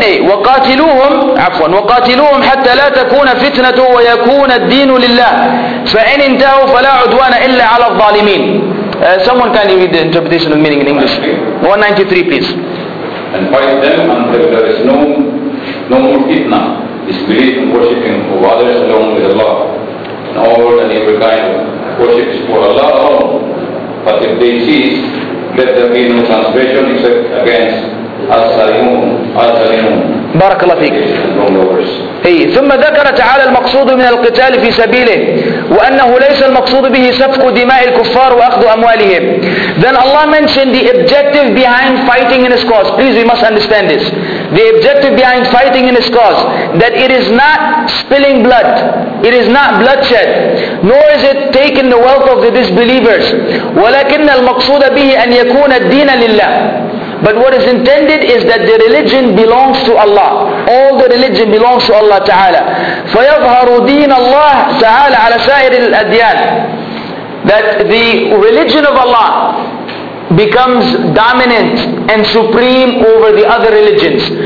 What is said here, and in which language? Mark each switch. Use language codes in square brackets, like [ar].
[ar] وقاتلوهم عفوا وقاتلوهم حتى لا تكون فتنة ويكون الدين لله فإن انتهوا فلا عدوان إلا على الظالمين. [en] Someone can read the interpretation of meaning in English. 193, please. And fight them until there is no more fitna, disbelief in worshipping of others alone with Allah, and all and every kind of worship is for Allah alone. But if they cease, let there be no transgression except against السليمون. [ar] بارك الله فيك. اي ثم ذكر تعالى المقصود من القتال في سبيله وانه ليس المقصود به سفك دماء الكفار واخذ اموالهم. [en] Then Allah mentioned the objective behind fighting in his cause. Please, we must understand this. The objective behind fighting in his cause, that it is not spilling blood, it is not bloodshed, nor is it taking the wealth of the disbelievers. [ar] ولكن المقصود به ان يكون الدين لله. [en] But what is intended is that the religion belongs to Allah. All the religion belongs to Allah Ta'ala. [ar] فَيَظْهَرُ دِينَ اللَّهِ تَعَالَى عَلَى سَائِرِ الْأَدْيَانِ. [en] That the religion of Allah becomes dominant and supreme over the other religions.